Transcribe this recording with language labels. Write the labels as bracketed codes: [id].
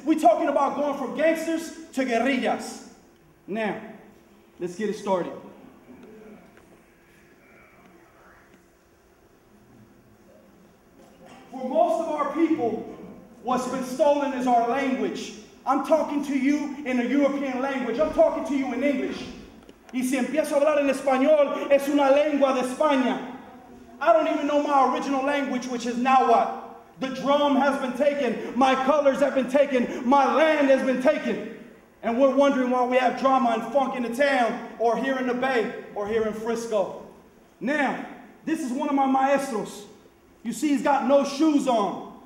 [en] We talking about going from gangsters to guerrillas. Now, let's get it started. For most of our people, what's been stolen is our language. I'm talking to you in a European language. I'm talking to you in English. [es] Y si empiezo a hablar en español, es una lengua de España. [en] I don't even know my original language, which is Nahuatl. The drum has been taken. My colors have been taken. My land has been taken. And we're wondering why we have drama and funk in the town, or here in the Bay, or here in Frisco. Now, this is one of my maestros. You see, he's got no shoes on.